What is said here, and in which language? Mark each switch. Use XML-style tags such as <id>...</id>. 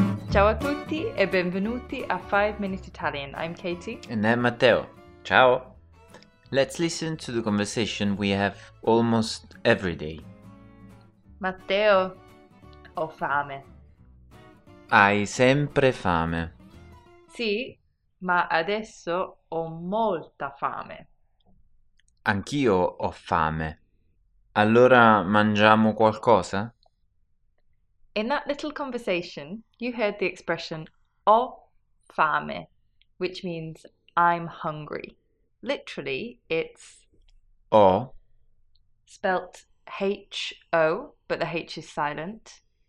<it>Ciao a tutti e benvenuti a 5 Minute Italian.</it> <en>I'm Katie. And I'm Matteo.</en> <it>Ciao!</it> <en>Let's listen to the conversation we have almost every day.</en> <it>Matteo, ho fame. Hai sempre fame. Sì, ma adesso ho molta fame. Anch'io ho fame. Allora mangiamo qualcosa?</it> <en>In that little conversation, you heard the expression</en> <it>ho fame,</it> <en>which means I'm hungry. Literally, it's</en> <it>ho,</it> <en>spelt H-O, but the H is silent.</en>